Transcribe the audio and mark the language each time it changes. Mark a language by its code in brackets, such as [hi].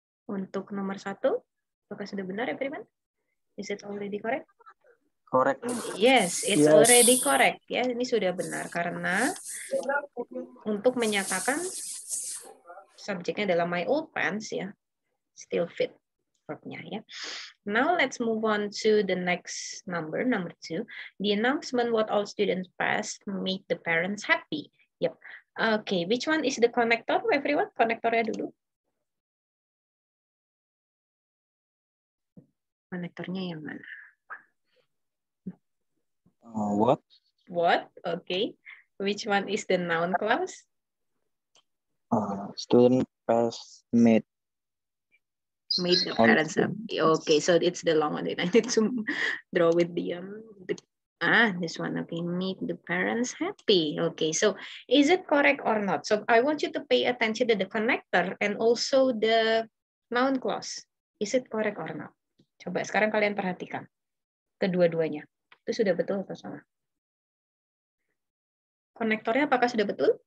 [id] Untuk nomor satu, apakah sudah benar ya, Priman? [en] Is it already correct? Correct. Yes, it's already correct. [id] Ya, ini sudah benar karena untuk menyatakan subjeknya adalah [en] my old pants [id] ya, [en] still fit. [id] Verb-nya, ya. [en] Now let's move on to the next number, number two. The announcement what all students passed made the parents happy. Yep. Okay, which one is the connector, everyone? [id] Connectornya dulu. Connectornya yang mana? [en] What? What? Okay. Which one is the noun clause? Student past made. Made the parents. Okay, so it's the long one. I need to draw with the this one. Okay, make the parents happy. Okay, so is it correct or not? So I want you to pay attention to the connector and also the noun clause. Is it correct or not? [id] Coba sekarang kalian perhatikan kedua-duanya. Itu sudah betul atau salah? Konektornya apakah sudah betul?